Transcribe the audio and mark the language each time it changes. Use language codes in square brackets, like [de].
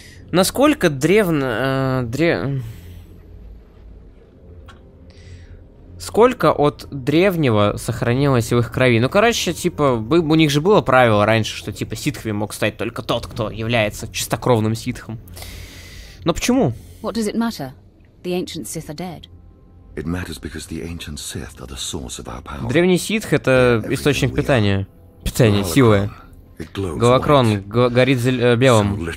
[ru] Насколько древно... Сколько от древнего сохранилось в их крови? Ну, короче, типа, у них же было правило раньше, что, типа, ситхами мог стать только тот, кто является чистокровным ситхом. Но почему? [en] What does it matter? The ancient Sith are dead. It matters because the ancient Sith are the source of our power. [ru] Древний ситх — это источник питания. Питания, силы. Голокрон горит белым.